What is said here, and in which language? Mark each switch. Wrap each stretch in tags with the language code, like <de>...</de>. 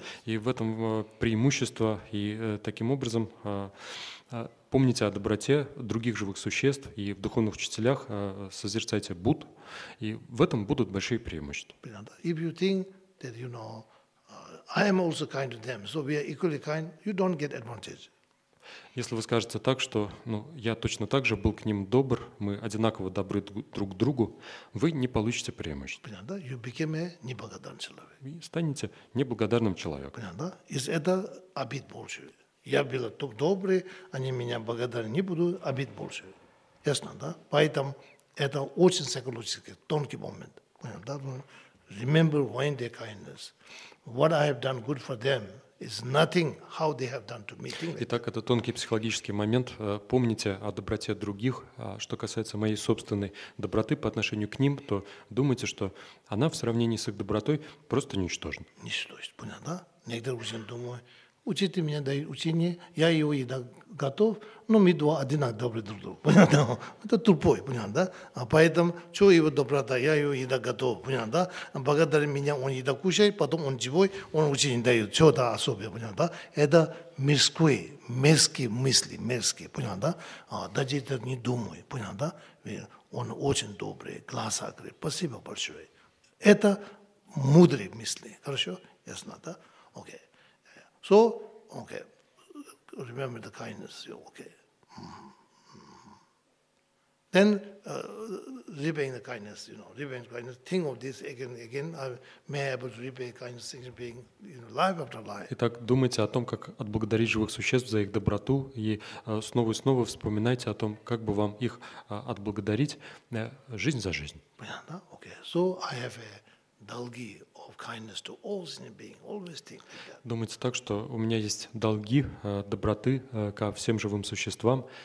<ru>И в этом преимущество, и таким образом помните о доброте других живых существ и в духовных учителях созерцайте Будд, и в этом будут большие преимущества.</ru> <en>That you know, I am also kind to them, so we are equally kind. You don't get advantage.</en> <ru>Если вы скажете так, что, ну, я точно так же был к ним добр, мы одинаково добры друг к другу, вы не получите преимущество. Понятно?</ru> <en>You became a</en> <ru>неблагодарный человек. Вы станете неблагодарным человеком. Понятно? Из этого обид больше. Я был только добрый, они меня благодарны не будут, обид больше. Ясно, да? Поэтому это очень психологический тонкий момент. Понятно?</ru> <en>Remember when their kindness. What I have done good for them is nothing how they have done to me.</en> <ru>Итак, это тонкий психологический момент. Помните о доброте других. Что касается моей собственной доброты по отношению к ним, то думайте, что она в сравнении с их добротой просто ничтожна. Ничтожна, понятно, да? Некоторые уже думают, учите меня, дай учение, я его еда готов, но мы два одинаковые друг друга, понятно? Это тупой, понятно, да? А поэтому, что его доброта, я его еда готов, понятно, да? Благодаря меня он еда кушает, потом он живой, он учение дает, что это особое, понятно, да? Это мирские, мерзкие мысли, понятно, да? Даже это не думай, понятно, да? Он очень добрый, глаза открыт, спасибо большое. Это мудрые мысли, хорошо? Ясно, да? Окей.</ru> <en>Okay. So, okay, remember the kindness, okay. Then, repaying the kindness, you know, repaying the kindness, think of this again and again, I may be able to repay kindness in being, you know, life after life.</en> <ru>Итак, думайте о том, как отблагодарить живых существ за их доброту, и снова и снова вспоминайте о том, как бы вам их отблагодарить жизнь за жизнь. Понятно?</ru> <en>Okay, so I have a долги. Kindness to all sentient beings. Always think like that.</en> <ru>Думайте так, что у меня есть долги доброты ко всем живым существам.</ru>